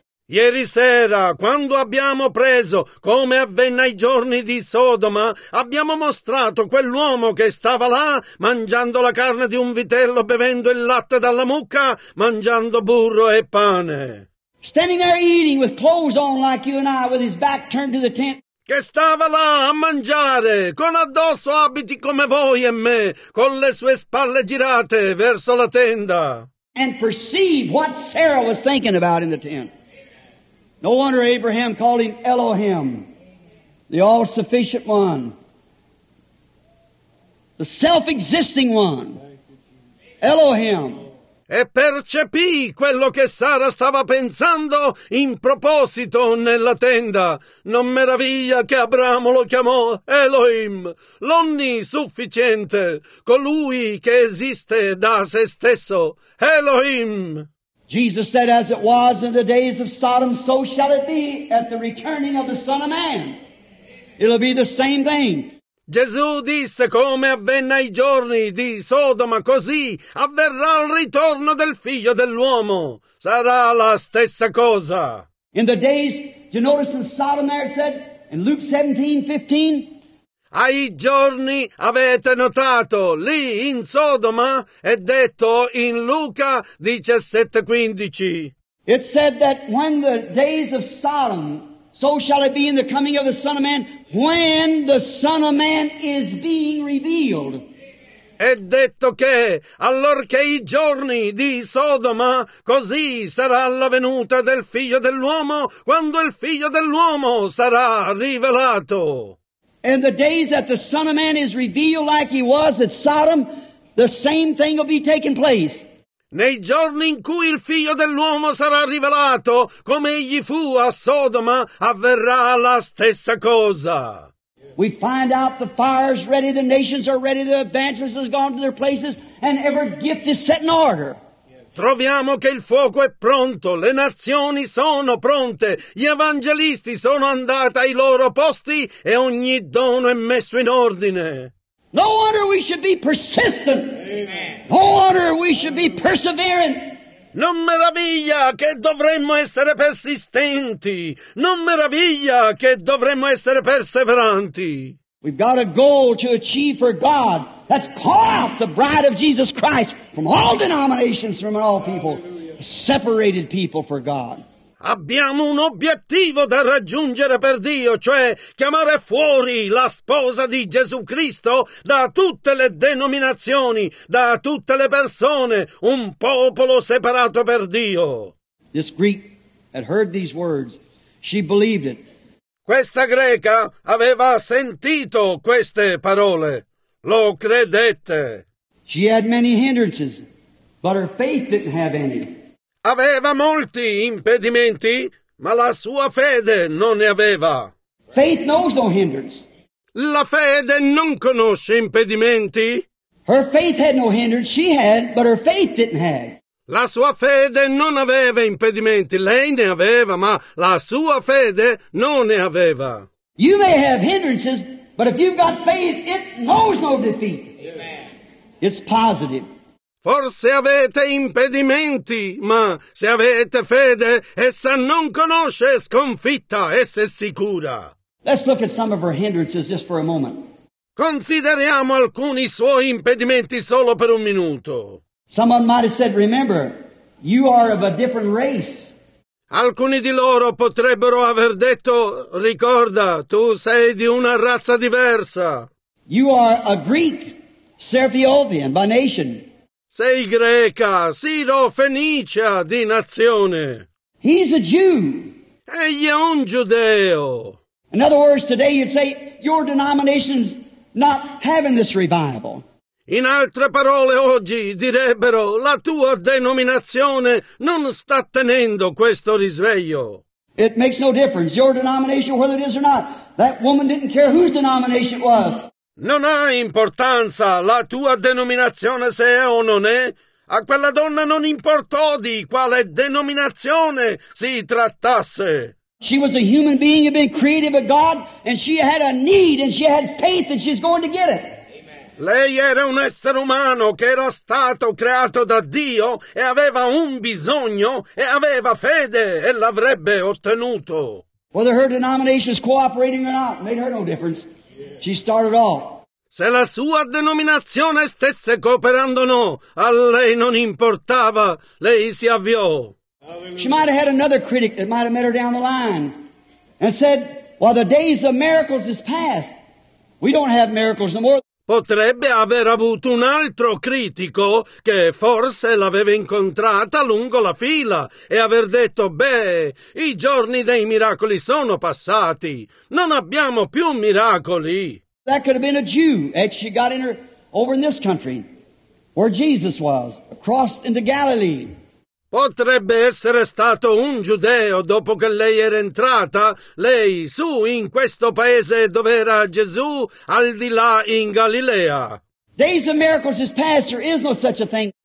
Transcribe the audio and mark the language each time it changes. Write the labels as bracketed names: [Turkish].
[Italian] Ieri sera, quando abbiamo preso come avvenne ai giorni di Sodoma, abbiamo mostrato quell'uomo che stava là mangiando la carne di un vitello, bevendo il latte dalla mucca, mangiando burro e pane. [English] standing there eating with clothes on like you and I, with his back turned to the tent. [Italian] Che stava là a mangiare, con addosso abiti come voi e me, con le sue spalle girate verso la tenda. [English] And perceive what Sarah was thinking about in the tent. No wonder Abraham called him Elohim, the all-sufficient one, the self-existing one, Elohim. [Italian] E percepì quello che Sara stava pensando in proposito nella tenda. Non meraviglia che Abramo lo chiamò Elohim, l'onnisufficiente, colui che esiste da se stesso, Elohim. [English] Jesus said, as it was in the days of Sodom, so shall it be at the returning of the Son of Man. It'll be the same thing. [Italian] Gesù disse, come avvenne ai giorni di Sodoma, così avverrà il ritorno del figlio dell'uomo. Sarà la stessa cosa. [English] In the days, you notice in Sodom there it said, in Luke 17:15. [Italian] Ai giorni, avete notato, lì in Sodoma, è detto in Luca 17:15. [English] It said that when the days of Sodom, so shall it be in the coming of the Son of Man, when the Son of Man is being revealed. [Italian] È detto che, allorché i giorni di Sodoma, così sarà la venuta del Figlio dell'Uomo, quando il Figlio dell'Uomo sarà rivelato. [English] And the days that the Son of Man is revealed like he was at Sodom, the same thing will be taking place. [Italian] Nei giorni in cui il Figlio dell'uomo sarà rivelato, come egli fu a Sodoma, avverrà la stessa cosa. [English] We find out the fire is ready, the nations are ready, the advances has gone to their places, and every gift is set in order. [Italian] Troviamo che il fuoco è pronto, le nazioni sono pronte, gli evangelisti sono andati ai loro posti e ogni dono è messo in ordine. [English] No wonder we should be persistent. Amen. No wonder we should be persevering. [Italian] Non meraviglia che dovremmo essere persistenti. Non meraviglia che dovremmo essere perseveranti. [English] We've got a goal to achieve for God. Let's call out the bride of Jesus Christ from all denominations, from all people, separated people for God. [Italian] Abbiamo un obiettivo da raggiungere per Dio, cioè chiamare fuori la sposa di Gesù Cristo da tutte le denominazioni, da tutte le persone, un popolo separato per Dio. [English] This Greek had heard these words. She believed it. [Italian] Questa greca aveva sentito queste parole. Lo credette. [English] She had many hindrances, but her faith didn't have any. [Italian] Aveva molti impedimenti, ma la sua fede non ne aveva. [English] Faith knows no hindrance. [Italian] La fede non conosce impedimenti. [English] Her faith had no hindrance, she had, but her faith didn't have. [Italian] La sua fede non aveva impedimenti, lei ne aveva, ma la sua fede non ne aveva. [English] You may have hindrances, but if you've got faith, it knows no defeat. Amen. It's positive. [Italian] Forse avete impedimenti, ma se avete fede, essa non conosce sconfitta, essa è sicura. [English] Let's look at some of her hindrances just for a moment. [Italian] Consideriamo alcuni suoi impedimenti solo per un minuto. [English] Someone might have said, remember, you are of a different race. [Italian] Alcuni di loro potrebbero aver detto, ricorda, tu sei di una razza diversa. [English] You are a Greek, Serfiovian, by nation. [Italian] Sei greca, sirofenicia di nazione. [English] He's a Jew. [Italian] Egli è un giudeo. [English] In other words, today you'd say your denomination's not having this revival. [Italian] In altre parole, oggi direbbero la tua denominazione non sta tenendo questo risveglio. [English] It makes no difference, your denomination, whether it is or not. That woman didn't care whose denomination it was. [Italian] Non ha importanza la tua denominazione se è o non è. A quella donna non importò di quale denominazione si trattasse. [English] She was a human being, had been created by God, and she had a need, and she had faith, and she's going to get it. [Italian] Lei era un essere umano che era stato creato da Dio e aveva un bisogno e aveva fede e l'avrebbe ottenuto. [English] Whether her denomination is cooperating or not, made her no difference. She started off. [Italian] Se la sua denominazione stesse cooperando o no, a lei non importava, lei si avviò. [English] She might have had another critic that might have met her down the line and said, well, the days of miracles is past. We don't have miracles no more. [Italian] Potrebbe aver avuto un altro critico che forse l'aveva incontrata lungo la fila e aver detto, beh, i giorni dei miracoli sono passati, non abbiamo più miracoli. [English] That could have been a Jew, and she got in her, over in this country, where Jesus was, across into Galilee. [Italian] Potrebbe essere stato un giudeo dopo che lei era entrata, lei, su in questo paese dove era Gesù, al di là in Galilea. [English] Days of miracles is past, there is no such a thing.